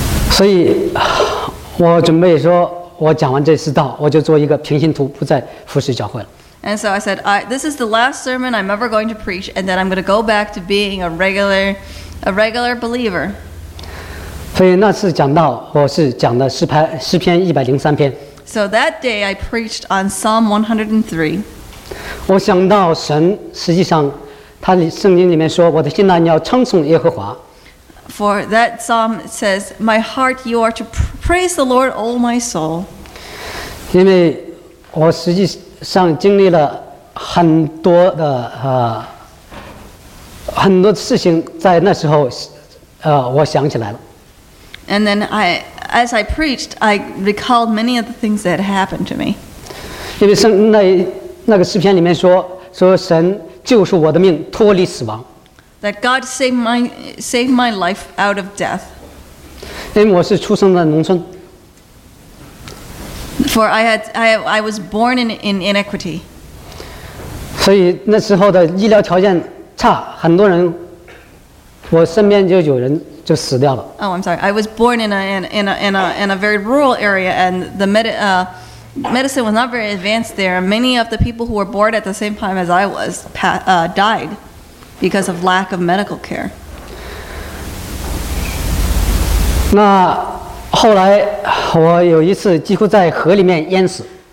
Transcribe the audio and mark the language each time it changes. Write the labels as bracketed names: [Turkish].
[Chinese] 所以，我准备说，我讲完这次道，我就做一个平行图，不再服侍教会了。 [English] And so I said, this is the last sermon I'm ever going to preach, and then I'm going to go back to being a regular believer. [Chinese] 所以那次讲到，我是讲的诗篇103篇。 [English] So that day I preached on Psalm 103. [Chinese] 我想到神，实际上，他圣经里面说，我的心呐，你要称颂耶和华。 [English] For that Psalm says, my heart, you are to praise the Lord, O my soul. [Chinese] 因为我实际上经历了很多的很多事情，在那时候我想起来了。 [English] And then I, as I preached, I recalled many of the things that happened to me. [Chinese] 因为那个诗篇里面说神救赎我的命，脱离死亡。 [English] That God saved my life out of death. [Chinese] 因为我是出生在农村。 [English] For I was born in inequity. [Chinese] 所以那时候的医疗条件差，很多人，我身边就有人就死掉了。 [English] Oh, I'm sorry. I was born in a very rural area, and the medicine was not very advanced there. Many of the people who were born at the same time as I was died because of lack of medical care. [Chinese] 那后来我有一次几乎在河里面淹死。